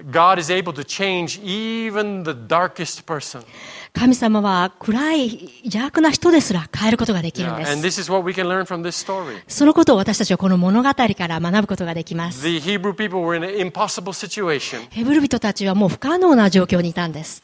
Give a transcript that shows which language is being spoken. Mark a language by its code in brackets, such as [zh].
[en] God is able to change even the darkest person. [ja] 神様は暗い邪悪な人ですら変えることができるんです。 [en] Yeah. And this is what we can learn from this story. [ja] そのことを私たちはこの物語から学ぶことができます。 [en] The Hebrew people were in an impossible situation. [ja] ヘブル人たちはもう不可能な状況にいたんです。